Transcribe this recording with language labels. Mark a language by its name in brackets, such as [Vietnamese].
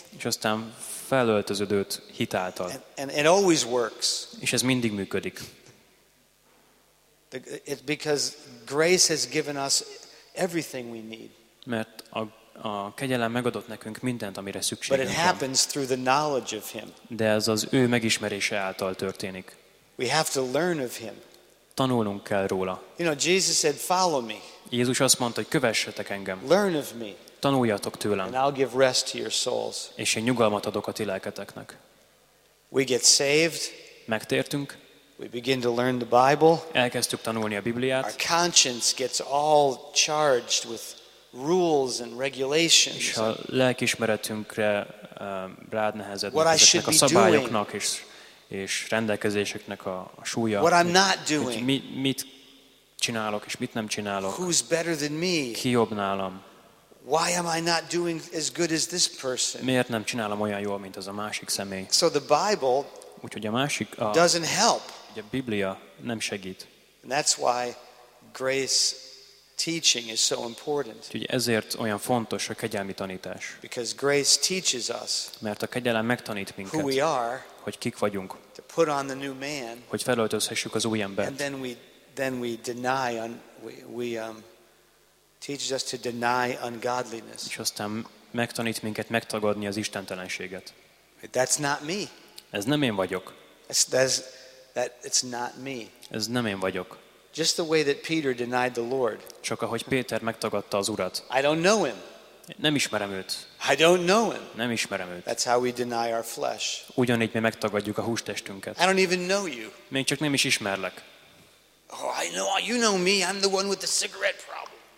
[Hungarian] És aztán felöltözöd őt hit által. [English] And it always works. [Hungarian] És ez mindig működik. [English] It's because grace has given us everything we need. [Hungarian] Mert a kegyelem megadott nekünk mindent, amire szükségünk van. [English] But it happens through the knowledge of him. [Hungarian] De ez az ő megismerése által történik. [English] We have to learn of him. [Hungarian] Tanulnunk kell róla. [English] You know, Jesus said, follow me. [Hungarian] Jézus azt mondta, hogy kövessetek engem. [English] Learn of me. [Hungarian] Tanuljatok tőlem. [English] And I'll give rest to your souls. [Hungarian] És én nyugalmat adok a ti lelketeknek. [English] We get saved. [Hungarian] Megtértünk. [English] We begin to learn the Bible. [Hungarian] Elkezdtük tanulni a Bibliát. [English] Our conscience gets all charged with rules and regulations. [Hungarian] És a lelkiismeretünkre rádnehezednek ezeknek a szabályoknak és rendelkezéseknek a súlya. [English] What I'm not doing. [Hungarian] Mit csinálok és mit nem csinálok. [English] Who's better than me? [Hungarian] Ki jobb nálam? [English] Why am I not doing as good as this person? [Hungarian] Miért nem csinálom olyan jól, mint az a másik személy? [English] So the Bible, [Hungarian] úgyhogy a másik, [English] doesn't help. [Hungarian] A Biblia nem segít. [English] And that's why grace teaching is so important. [Hungarian] Úgyhogy ezért olyan fontos a kegyelmi tanítás. [English] Because grace teaches us. [Hungarian] Mert a kegyelem megtanít minket. [English] Who we are. [Hungarian] Hogy kik vagyunk. [English] To put on the new man. [Hungarian] Hogy felöltözhessük az új embert. [English] And then we deny on we teaches us to deny ungodliness. [Hungarian] És aztán megtanít minket megtagadni az istentelenséget. [English] That's not me. [Hungarian] Ez nem én vagyok. [English] It's not me. [Hungarian] Ez nem én vagyok. [English] Just the way that Peter denied the Lord. [Hungarian] Csak ahogy Péter megtagadta az Urat. [English] I don't know him. [Hungarian] Nem ismerem őt. [English] I don't know him. [Hungarian] Nem ismerem őt. [English] That's how we deny our flesh. [Hungarian] Ugyanígy mi megtagadjuk a hústestünket. [English] I don't even know you. [Hungarian] Még csak nem is ismerlek. [English] Oh, I know you know me. I'm the one with the cigarette problem.